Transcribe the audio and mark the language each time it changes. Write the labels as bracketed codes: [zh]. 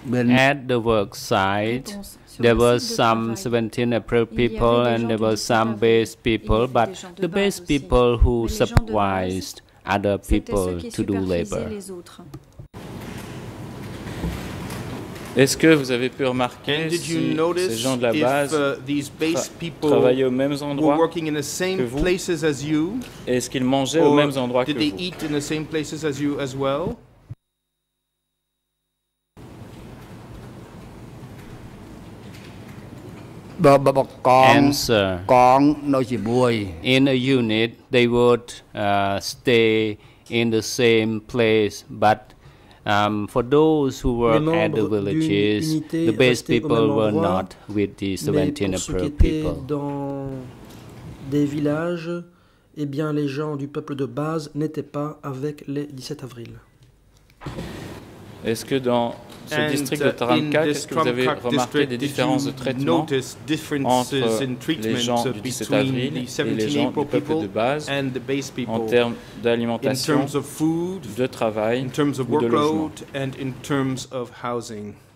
[en] At the work site, there were some 17 April people and there were some base people, but the base people who supervised other people to do labor. [fr] Est-ce que vous avez pu remarquer si ces gens de la base travaillaient aux mêmes endroits que vous? Est-ce qu'ils mangeaient aux mêmes endroits que vous? [en] Eat in the same places as you as well? Answer. In a unit, they would stay in the same place, but for those who were at the villages, the base people were not with the 17 approved people. [fr] Dans des villages, eh bien, les gens du peuple de base n'étaient pas avec les 17 avril. Est-ce que dans ce district de Tramka, est-ce que vous avez remarqué des différences de traitement entre les gens du 17 avril et les gens du peuple de base en termes d'alimentation, de travail ou de logement?